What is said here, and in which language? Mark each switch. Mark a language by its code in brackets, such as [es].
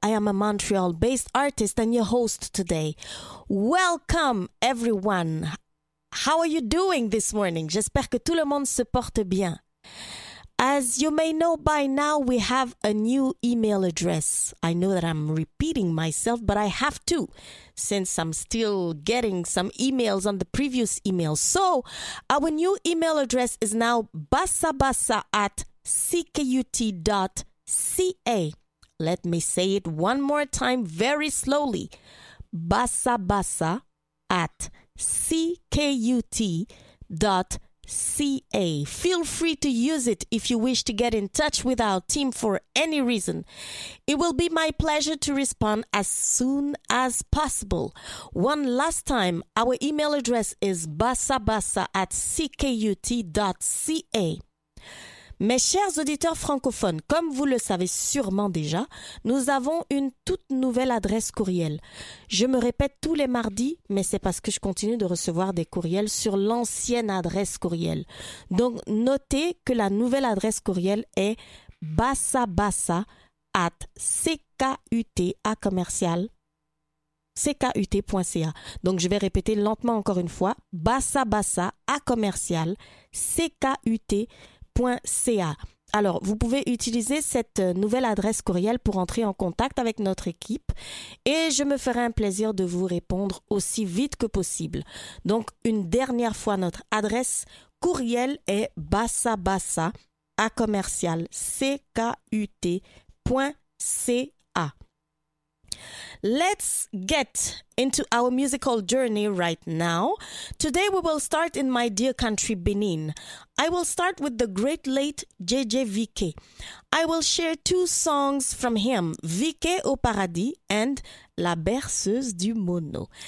[en] I am a Montreal-based artist and your host today. Welcome, everyone. How are you doing this morning? [fr] J'espère que tout le monde se porte bien. [en] As you may know by now, we have a new email address. I know that I'm repeating myself, but I have to, since I'm still getting some emails on the previous email. So our new email address is now bassabassa@ckut.ca. Let me say it one more time very slowly. bassabassa@ckut.ca. www.cukusound.ca. Feel free to use it if you wish to get in touch with our team for any reason. It will be my pleasure to respond as soon as possible. One last time, our email address is basabasa@ckut.ca. [fr] Mes chers auditeurs francophones, comme vous le savez sûrement déjà, nous avons une toute nouvelle adresse courriel. Je me répète tous les mardis, mais c'est parce que je continue de recevoir des courriels sur l'ancienne adresse courriel. Donc, notez que la nouvelle adresse courriel est basabasa@ckut.ca. Donc, je vais répéter lentement encore une fois, basabasa@ckut.ca. Alors, vous pouvez utiliser cette nouvelle adresse courriel pour entrer en contact avec notre équipe et je me ferai un plaisir de vous répondre aussi vite que possible. Donc, une dernière fois, notre adresse courriel est basabasa@ckut.ca. [en] Let's get into our musical journey right now. Today we will start in my dear country, Benin. I will start with the great late JJ Vike. I will share two songs from him, Vike au Paradis and La Berceuse du Mono.